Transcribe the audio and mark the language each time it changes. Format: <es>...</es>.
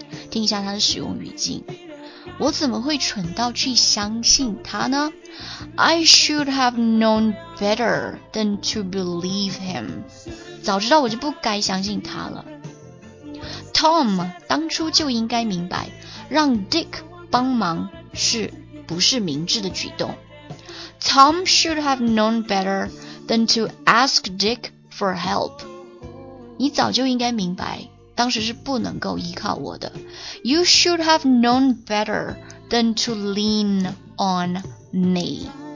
<zh>听一下它的使用语境，我怎么会蠢到去相信他呢？</zh> <en>I should have known better than to believe him.</en> <zh>早知道我就不该相信他了。 Tom 当初就应该明白让 Dick 帮忙是不是明智的举动。</zh> <en>Tom should have known better than to ask Dick for help.</en> <zh>你早就应该明白当时是不能够依靠我的。</zh> <en>You should have known better than to lean on me.</en>